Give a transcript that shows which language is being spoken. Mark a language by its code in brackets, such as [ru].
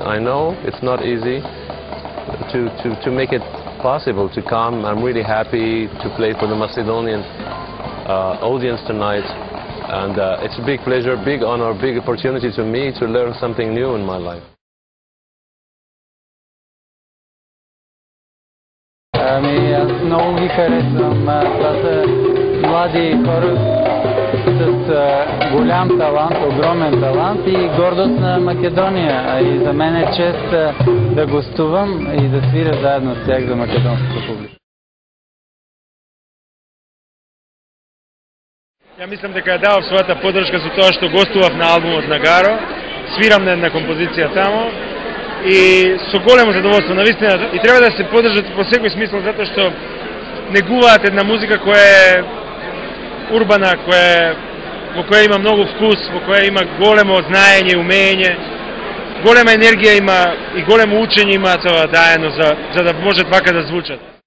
[en] I know it's not easy to make it possible to come. I'm really happy to play for the Macedonian audience tonight, and it's a big pleasure, big honor, big opportunity to me to learn something new in my life. [bg] Ами, аз много ги харесвам. Това са млади хора с голям талант, огромен талант и гордост на Македония. И за мен е чест да гостувам и да свиря заедно с тях за македонската публика. [mk] Ја мислам дека ја давав својата поддршка за тоа што гостував на албумот на Гаро. Свирам на една композиција таму. И со големо задоволство, навистина, и треба да се подржат во секој смисла, затоа што негуваат една музика која е урбана, која е, во која има многу вкус, во која има големо знаење и умење, голема енергија има и големо учење има тоа даено за да можат вака да звучат.